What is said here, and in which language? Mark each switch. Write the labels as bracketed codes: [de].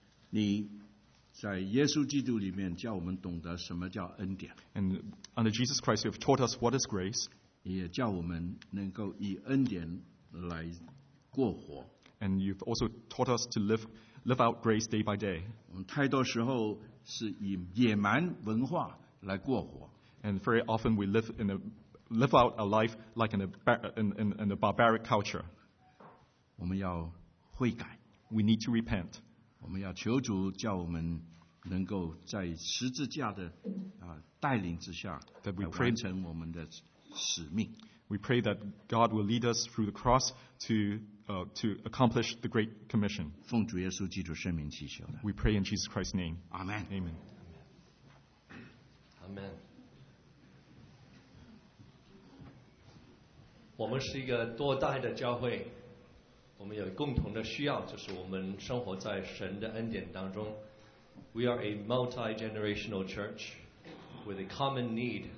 [zh] 你在耶稣基督里面叫我们懂得什么叫恩典。 [en] And under Jesus Christ, you have taught us what is grace. [zh] 你也叫我们能够以恩典来过活。 [en] And you've also taught us to live out grace day by day. [zh] 我们太多时候是以野蛮文化来过活。 [en] And very often we live out our life like in a barbaric culture. [zh] 我们要悔改。 [en] We need to repent. [zh] 我们要求主叫我们能够在十字架的带领之下来完成我们的使命。 [en] We pray that God will lead us through the cross to accomplish the Great Commission. [zh] 奉主耶稣基督圣名祈求的。 [en] We pray in Jesus Christ's name. Amen. Amen. Amen. [zh] 我们是一个多代的教会，我们有共同的需要，就是我们生活在神的恩典当中。 [en] We are a multi-generational church with a common need.